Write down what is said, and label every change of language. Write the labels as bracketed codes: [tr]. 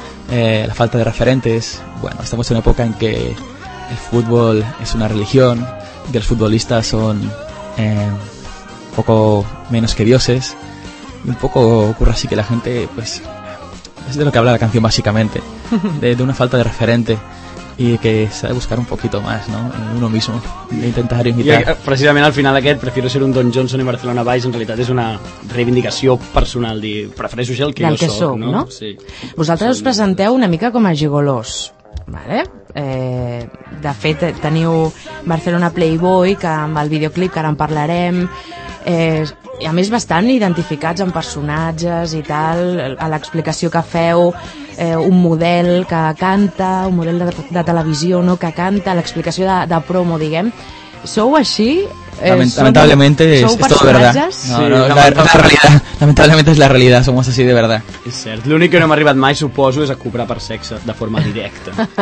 [es] La falta de referentes, bueno, estamos en una época en que el fútbol es una religión, que los futbolistas son un poco menos que dioses, y un poco ocurre así que la gente, pues, es de lo que habla la canción básicamente, de una falta de referente, y que se ha de buscar un poquito más, ¿no?, en uno mismo, de intentar imitar. Y precisamente al final aquest, prefiero ser un Don Johnson en Barcelona Vice, en realidad es una reivindicación personal, de [ca] prefereixo ser el que del [es] yo que [ca] soc, som, ¿no? Sí. Vosaltres us presenteu una mica com a gigolós, ¿vale? De fet, teniu Barcelona Playboy, que amb el videoclip, que ara en parlarem, i a més bastant identificats amb personatges i tal, a l'explicació que feu, un model que canta, un model de televisió, no?, que canta, l'explicació de promo, diguem. Sou així? [es] Lamentablemente es todo verdad. No, lamentablemente es la realidad, somos así de verdad. [ca] És cert. L'únic que no hem arribat mai, suposo, és a cobrar per sexe, de forma directa.